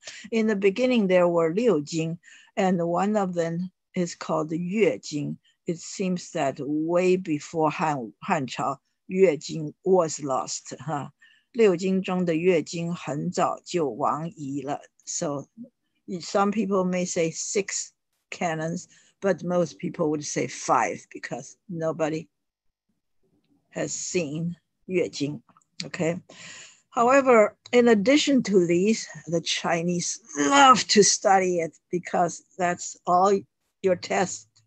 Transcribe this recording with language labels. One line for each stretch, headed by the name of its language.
English: In the beginning, there were 六经, and one of them is called 月经. It seems that way before Han Chao, 月经 was lost.
Chinese: 六经中的月经很早就亡矣了.
English: So some people may say six canons, but most people would say five because nobody has seen 月经. Okay. However, in addition to these, the Chinese love to study it because that's all your tests.